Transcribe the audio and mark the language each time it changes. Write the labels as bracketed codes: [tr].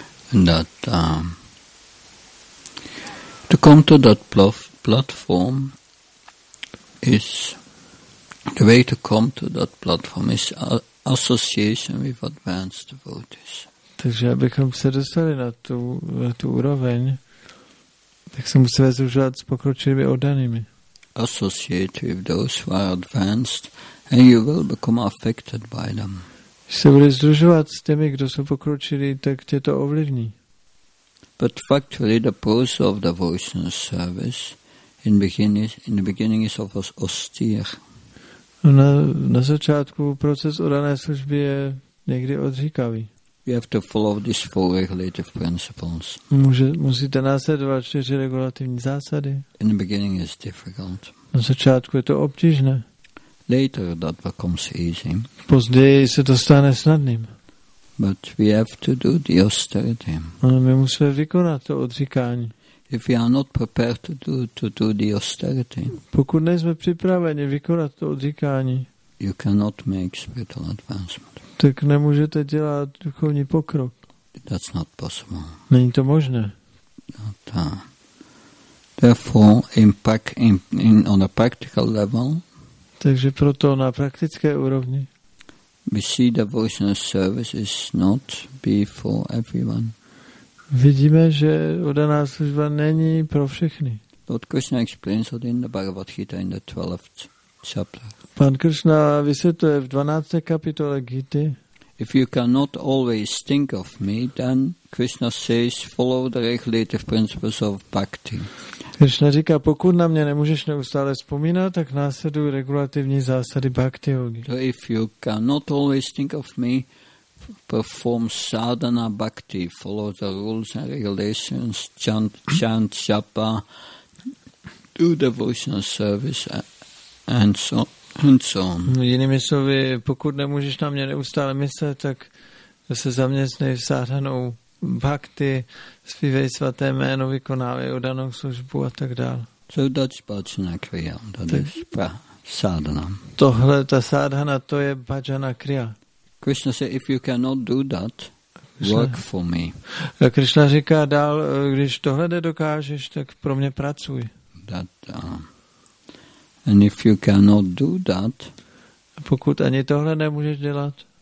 [en] And that to come to that platform is the way to come to that platform is association with advanced devotees. [cs] Takže abychom se dostali na tu úroveň, tak se musíme zúžovat s pokročilými oddanými. [en] Associate with those who are advanced and you will become affected by them. [cs] Když se bude združovat s těmi, kdo jsou pokročili, tak tě to ovlivní. [en] But factually the pose of the devotional service in the beginning is of austere. [cs] Na začátku proces oddané služby je někdy odříkavý. [en] You have to follow these four regulative principles. [cs] Musíte následovat čtyři regulativní zásady. [en] In the beginning it's difficult. [cs] Na začátku je to obtížné. [en] Later that becomes easy. [cs] Později se to stane snadným. [en] But we have to do the austerity. [cs] Ale my musíme vykonat to odříkání. [en] If we are not prepared to do the austerity. [cs] Pokud nejsme připraveni vykonat to odříkání. [en] You cannot make spiritual advancement. [cs] Tak nemůžete dělat duchovní pokrok. [en] That's not possible. [cs] Není to možné. [en] But, therefore, impact on a practical level. [cs] Takže proto na praktické úrovni. [en] We see the devotional service is not be for everyone. [cs] Vidíme, že oddaná služba není pro všechny. [en] Lord Krishna explains it in the Bhagavad Gita in the 12th chapter. [cs] Pan Krishna vysvětluje v 12. kapitole Gity. [en] If you cannot always think of me, then Krishna says, follow the regulative principles of bhakti. [cs] Krishna říká, pokud na mě nemůžeš neustále vzpomínat, tak následuj regulativní zásady bhakti yogi. [en] So if you cannot always think of me, perform sadhana bhakti, follow the rules and regulations, chant japa, do devotional service and so on. [cs] Jinými slovy, pokud nemůžeš na mě neustále myslet, tak se zaměstnej v sádhanou bhakti, zpívej svaté jméno, vykonávej odanou službu a tak dále. [en] So that's bhajana kriya, that is sádhana. [cs] Tohle, ta sádhana, to je bhajana kriya. [en] Krishna says, if you cannot do that, work for me. [cs] A Krishna říká dál, když tohle nedokážeš, tak pro mě pracuj. [en] And if you cannot do that, [cs] pokud ani tohle nemůžeš dělat,